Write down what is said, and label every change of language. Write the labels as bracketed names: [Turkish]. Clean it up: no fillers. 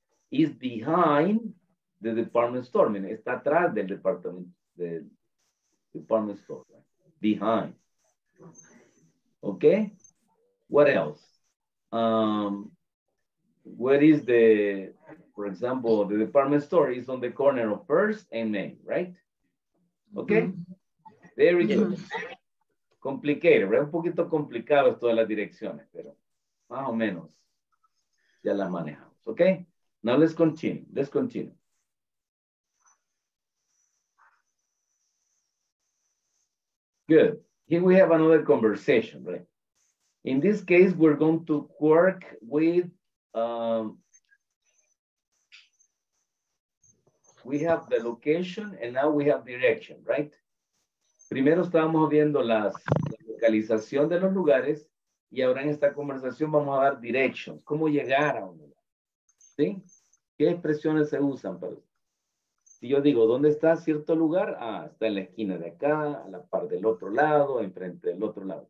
[English] Is behind the department store. [Spanish] Mira, está atrás del departamento. [English] Department store, right? Behind. Okay. What else? Where is the, for example, the department store is on the corner of First and Main, right? Okay. Very good. Complicated, right? [Spanish] Un poquito complicado todas las direcciones, pero más o menos ya las manejamos. [English] Okay. Now let's continue. Let's continue. Good. Here we have another conversation, right? In this case, we're going to work with, we have the location and now we have direction, right? [Spanish] Primero estábamos viendo la localización de los lugares y ahora en esta conversación vamos a dar directions, cómo llegar a un lugar, ¿sí? ¿Qué expresiones se usan para esto? Si yo digo, ¿dónde está cierto lugar? Ah, está en la esquina de acá, a la par del otro lado, enfrente del otro lado.